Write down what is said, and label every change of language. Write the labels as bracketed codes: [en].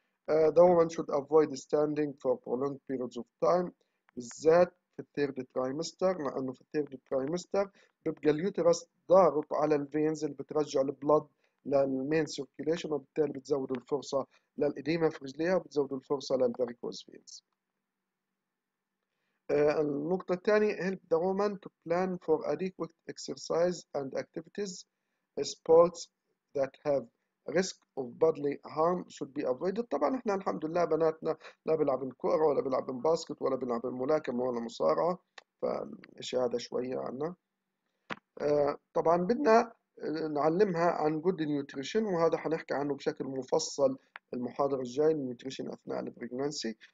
[en] The woman should avoid standing for prolonged periods of time، [ar] بالذات في الثيرد ترايمستر، لانه في الثيرد ترايمستر بيبقى اليوترس ضارب على الفينز اللي بترجع البلد للمين سيركيليشن، وبالتالي بتزود الفرصه للاديمه في رجليها وبتزود الفرصه للفاريكوز فينز. النقطة الثانية: [en] help the woman to plan for adequate exercise and activities. Sports that have risk of bodily harm should be avoided. [ar] طبعا احنا الحمد لله بناتنا لا بيلعبن كوره ولا بيلعبن باسكت ولا بيلعبن ملاكمه ولا مصارعه، فالشيء هذا شويه عنا. طبعا بدنا نعلمها عن good nutrition، وهذا حنحكي عنه بشكل مفصل المحاضره الجايه، النيوتريشن اثناء البريجنانسي.